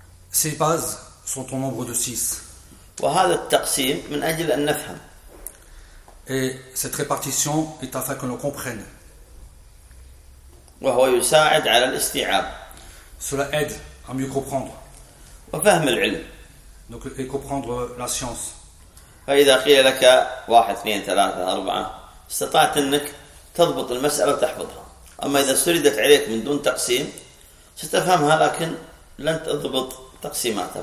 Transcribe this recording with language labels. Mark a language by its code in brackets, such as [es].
[fr] Ces bases sont au nombre de 6. [ar] وهذا التقسيم من أجل أن نفهم. [fr] Et cette répartition est afin que l'on comprenne. [ar] وهو يساعد على الاستيعاب. [fr] Cela aide à mieux comprendre. [ar] وفهم العلم. [fr] Donc et comprendre la science. [ar] فإذا قيل لك واحد اثنين ثلاثة أربعة استطعت أنك تضبط المسألة وتحفظها. أما إذا سردت عليك من دون تقسيم ستفهمها لكن لن تضبط تقسيماتها.